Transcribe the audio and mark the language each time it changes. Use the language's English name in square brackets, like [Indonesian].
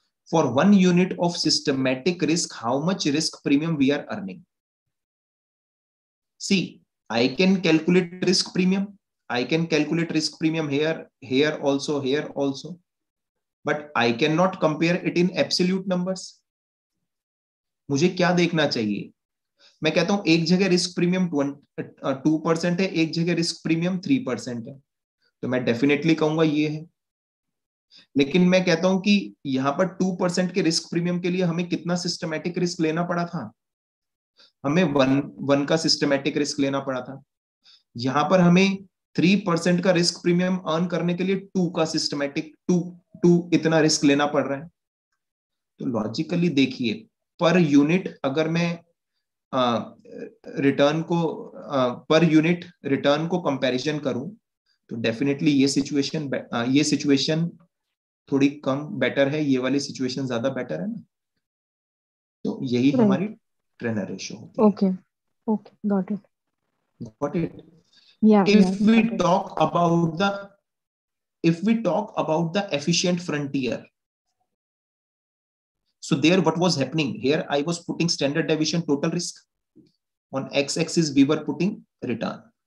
[English] For one unit of systematic risk, how much risk premium we are earning? See, I can calculate risk premium. I can calculate risk premium here, here also, here also. But I cannot compare it in absolute numbers. [Hindi] मुझे क्या देखना चाहिए? मैं कहता हूं एक जगह risk premium 2% है, एक जगह risk premium 3% है. तो मैं definitely कहूंगा ये है. लेकिन मैं कहता हूं कि यहां पर 2% के risk premium के लिए हमें कितना systematic risk लेना पड़ा था? हमें 1 का systematic risk लेना पड़ा था. यहां पर हमें 3% का रिस्क प्रीमियम अर्न करने के लिए 2 का सिस्टमैटिक 2 इतना रिस्क लेना पड़ रहा है. तो लॉजिकली देखिए, पर यूनिट अगर मैं रिटर्न को पर यूनिट रिटर्न को कंपैरिजन करूं तो डेफिनेटली ये सिचुएशन थोड़ी कम बेटर है, ये वाली सिचुएशन ज्यादा बेटर है ना. तो यही [English] right. [Hindi] हमारी ट्रेनर रेशियो होती है. [English] Okay okay got it Yeah, if yeah, we okay. talk about the if we talk about the efficient frontier, so there what was happening here, I was putting standard deviation total risk, on x-axis we were putting return.